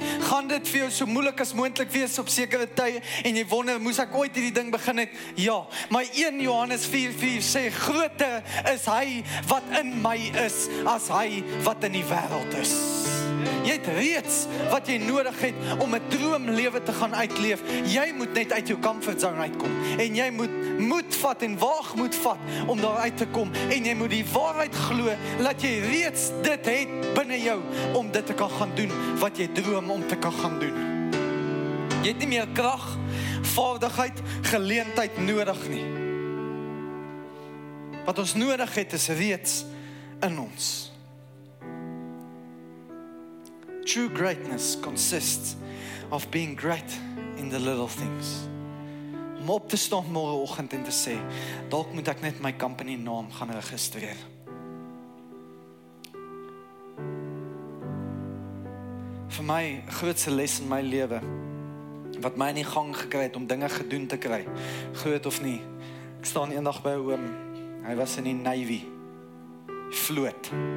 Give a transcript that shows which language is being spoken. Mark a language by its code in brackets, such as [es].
[af] Gaan dit vir jou so moeilik as moontlik wees op sekere tye en jy wonder, moes ek ooit hierdie ding begin het? Ja. Maar 1 Johannes 4:4 sê, groter is hy wat in my is as hy wat in die wêreld is. Jy het reeds wat jy nodig het om 'n droomlewe te gaan uitleef. Jy moet net uit jou comfort zone uitkom. En jy moet moed vat en waag moed vat om daar uit te kom. En jy moet die waarheid glo dat jy reeds dit het binne jou om dit te kan gaan doen wat jy droom om te kan gaan doen. Jy het nie meer krag, vaardigheid, geleentheid nodig nie. Wat ons nodig het is reeds in ons. [en] True greatness consists of being great in the little things. [af] Om op te staan môreoggend en te sê, dalk moet ek net my company naam gaan registreer. Vir my grootste les in my lewe, wat my in die gang gekry het om dinge gedoen te kry, groot of nie, ek staan eendag by 'n oom, hy was in die Navy, vloot.